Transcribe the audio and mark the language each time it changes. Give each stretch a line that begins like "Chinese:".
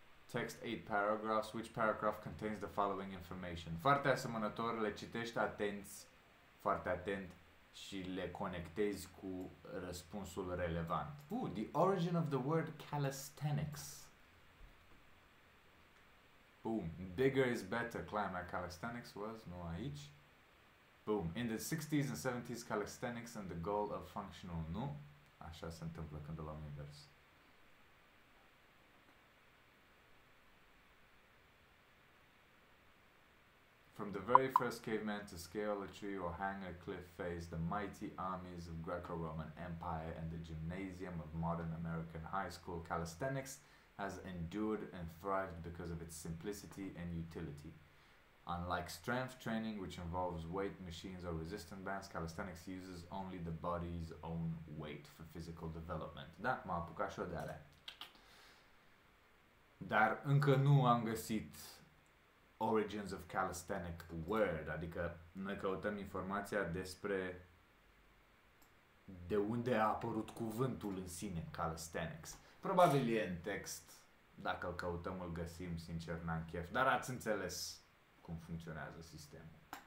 English: Text 8 paragraphs, which paragraph contains the following information.
Romanian: Foarte asemănător, le citești atenți, foarte atent și le conectezi cu răspunsul relevant.
English: Ooh, the origin of the word calisthenics. Boom, bigger is better, climax calisthenics was,
Romanian: nu aici.
English: Boom, in the 60s and 70s, calisthenics and the goal of functional, nu?
Romanian: Așa se întâmplă când luăm invers.
English: From the very first caveman to scale a tree or hang a cliff face, the mighty armies of Greco-Roman Empire and the gymnasium of modern American high school, calisthenics has endured and thrived because of its simplicity and utility. Unlike strength training, which involves weight machines or resistance bands, calisthenics uses only the body's own weight for physical development.
Romanian: Da, m-a apucat și-o de-alea. Dar încă nu am găsit
English: origins of calisthenic word,
Romanian: adică noi căutăm informația despre de unde a apărut cuvântul în sine, calisthenics. Probabil e în text, dacă îl căutăm, îl găsim, sincer, n-am chef, dar ați înțeles cum funcționează sistemul.